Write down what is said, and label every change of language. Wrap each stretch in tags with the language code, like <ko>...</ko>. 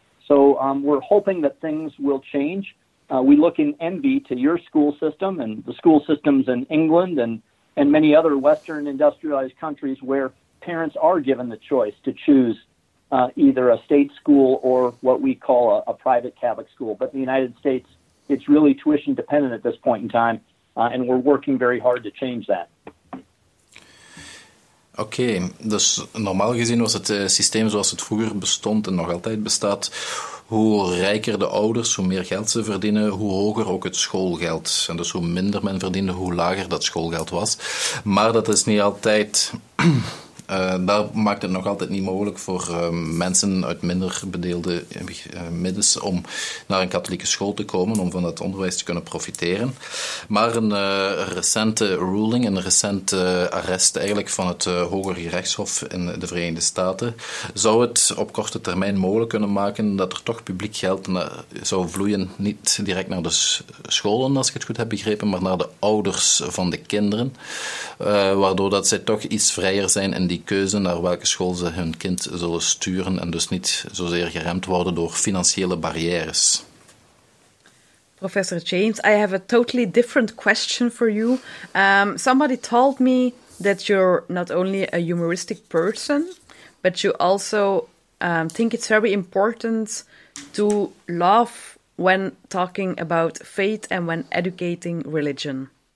<en>So we're hoping that things will change. We look in envy to your school system and the school systems in England and many other Western industrialized countries where parents are given the choice to choose either a state school or what we call a private Catholic school. But in the United States, it's really tuition dependent at this point in time. And we're working very hard to change that.</en> <nl>Oké, dus normaal gezien was het systeem zoals het vroeger bestond en nog altijd bestaat. Hoe rijker de ouders, hoe meer geld ze verdienen, hoe hoger ook het schoolgeld. En dus hoe minder men verdiende, hoe lager dat schoolgeld was. Maar dat is niet altijd. Daar maakt het nog altijd niet mogelijk voor mensen uit minder bedeelde middens om naar een katholieke school te komen, om van dat onderwijs te kunnen profiteren. Maar een recente ruling, een recente arrest eigenlijk van het Hoger Gerechtshof in de Verenigde Staten, zou het op korte termijn mogelijk kunnen maken dat er toch publiek geld zou vloeien, niet direct naar de scholen, als ik het goed heb begrepen, maar naar de ouders van de kinderen, waardoor dat zij toch iets vrijer zijn in die keuze naar welke school ze hun kind zullen sturen en dus niet zozeer geremd worden door financiële barrières.</nl> <en>Professor James, I have a totally different question for you. Somebody told me that you're not only a humoristic person, but you also think it's very important to laugh when talking about faith and when educating religion.</en>